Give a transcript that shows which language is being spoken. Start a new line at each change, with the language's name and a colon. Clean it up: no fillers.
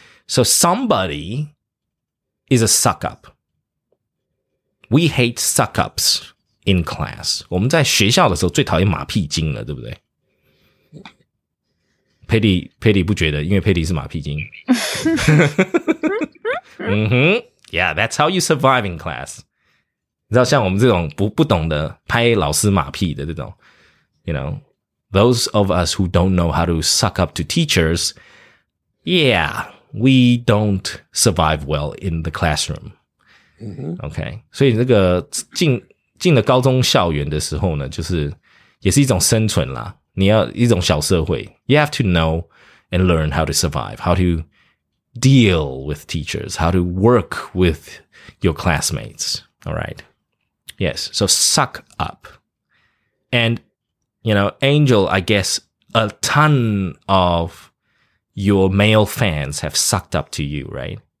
English: So somebody is a suck up. We hate suck ups. In class,
Chinese: 我们在学校的时候最讨厌马屁精了，对不对？佩蒂不觉得，因为佩蒂是马屁精。
English: 嗯哼，Yeah, that's how you survive in class.
Chinese: 你知道，像我们这种不懂得拍老师马屁的这种
English: ，you know, those of us who don't know how to suck up to teachers, yeah, we don't survive well in the classroom.
Chinese: Okay, 所以那个进了高中校园的时候呢，就是也是一种生存啦，你要一种小社会。
English: You have to know and learn how to survive, how to deal with teachers, how to work with your classmates. All right. Yes. So suck up. And, you know, Angel, I guess a ton of your male fans have sucked up to you, right?